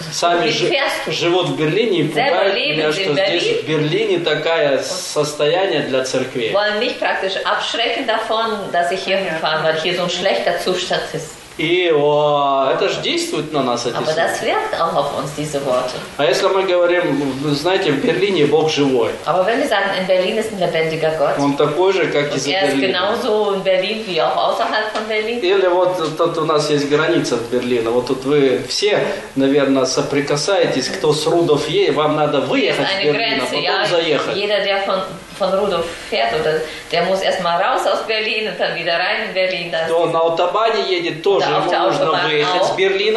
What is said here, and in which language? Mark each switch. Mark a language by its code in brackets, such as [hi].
[ru] Сами живут в Берлине и пугают меня, что здесь в Берлине такое состояние для церкви. [de] Wollen mich praktisch abschrecken davon, dass ich hier fahre, weil hier so ein schlechter Zustand ist. [ru] И это же действует на нас, эти [de] слова. Aber das wirkt auch auf uns, diese Worte. [ru] А если мы говорим, знаете, в Берлине Бог живой. [de] Aber wenn wir sagen, in Berlin ist ein lebendiger Gott. [ru] Он такой же, как и за Берлином. [de] Er ist genauso in Berlin, wie auch außerhalb von Berlin. [ru] Или вот тут у нас есть граница от Берлина. Вот тут вы все, наверное, соприкасаетесь, кто с Рудов едет, вам надо выехать в Берлин, а потом заехать. [de] Jeder, der von Rudolf fährt, oder der muss erstmal raus aus Berlin und dann wieder rein in Berlin. [ru] Кто на Аутобане едет, тоже ему нужно выехать с Берлина.